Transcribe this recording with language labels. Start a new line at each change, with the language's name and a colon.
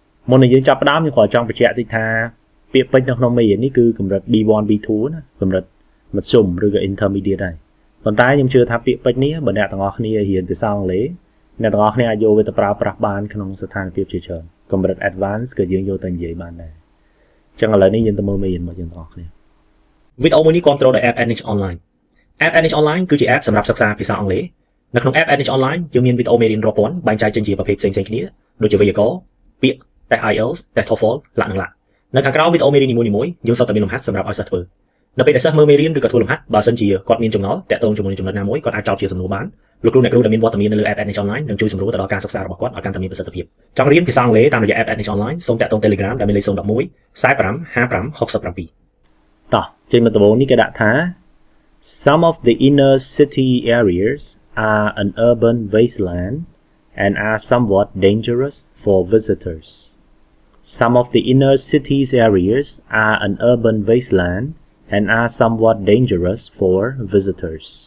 Khmer: មុននឹងយើងចាប់ផ្ដើមខ្ញុំគាត់ចង់បញ្ជាក់តិចថាពាក្យពេចនៅក្នុងមេរៀននេះគឺកម្រិត B1 B2 ណាកម្រិតមធ្យមឬក៏ intermediate ដែរប៉ុន្តែខ្ញុំជឿថាពាក្យពេចនេះបើអ្នកទាំងអស់គ្នារៀនភាសាអង់គ្លេសអ្នកទាំងអស់គ្នាអាចយកវាទៅប្រើប្រាស់បានក្នុងស្ថានភាពជាច្រើនកម្រិត advanced ក៏យើងយកទៅនិយាយបានដែរអញ្ចឹងឥឡូវនេះយើងទៅមើលមេរៀនមកយើងទាំងអស់គ្នា វីដេអូមួយនេះគ្រប់គ្រងដោយ App Annex Online App Annex Online គឺជា App សម្រាប់សិក្សាភាសាអង់គ្លេសនៅក្នុង App Annex Online យើងមានវីដេអូមេរៀនរាប់ពាន់បែងចែកជាប្រភេទផ្សេងៗគ្នាដូចជាវេយ្យាករណ៍ពាក្យ Test IELTS Test TOEFL ឡានឡាក់នៅខាងក្រោមវីដេអូមេរៀននីមួយៗយើងសូមតែមានលំហាត់សម្រាប់ឲ្យសិស្សធ្វើនៅពេលដែលសិស្សមើលមេរៀនឬក៏ធ្វើលំហាត់បើសិនជាគាត់មានចំណល់តាក់ទងជាមួយចំណុចណាមួយគាត់អាចចោទជាសំណួរបានលោកគ្រូអ្នកគ្រូដែលមានវត្តមាននៅលើ App Annex Online នឹងជួយសម្រួលទៅដល់ការសិក្សារបស់គាត់ឲ្យកាន់តែមានប្រសិទ្ធភាពចង់រៀនភាសាអង់គ្លេសតាមរយៈ App Annex Online សូមតាក់ទង Telegram ដែលមានលេខ01 455567 តោះចេញមកដំបូងនេះគេដាក់ថា
English: Some of the inner city areas are an urban wasteland and are somewhat dangerous for visitors. Some of the inner city's areas are an urban wasteland and are somewhat dangerous for visitors.